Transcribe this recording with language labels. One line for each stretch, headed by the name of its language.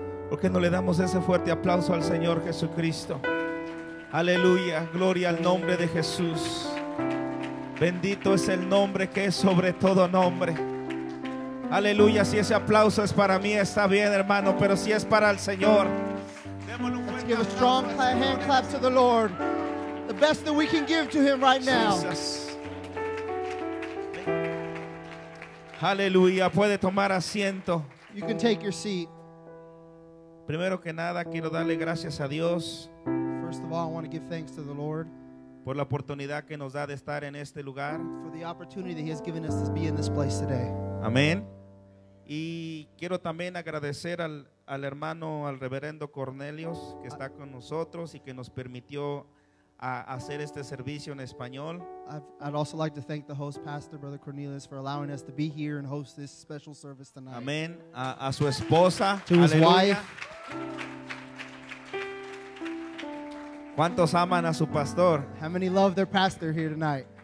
Spanish: ¿Por qué no le damos ese fuerte aplauso al Señor Jesucristo? Aleluya. Gloria al nombre de Jesús. Bendito es el nombre que es sobre todo nombre. Aleluya. Si ese aplauso es para mí, está bien, hermano. Pero si es para el Señor,
English: let's give a strong hand clap to the Lord. The best that we can give to Him right now. Jesus.
Spanish: Aleluya. Puede tomar asiento.
English: You can take your seat.
Spanish: Primero que nada, quiero darle gracias a Dios.
English: First of all, I want to give thanks to the Lord.
Spanish: Por la oportunidad que nos da de estar en este lugar.
English: For the opportunity that He has given us to be in this place today.
Spanish: Amén. Y quiero también agradecer al hermano, al reverendo Cornelius, que está con nosotros y que nos permitió hacer este servicio en español.
English: I'd also like to thank the host pastor, Brother Cornelius, for allowing us to be here and host this special service tonight.
Spanish: Amén. A su esposa.
English: To his wife.
Spanish: ¿Cuántos aman a su pastor?
English: How many love their pastor here tonight?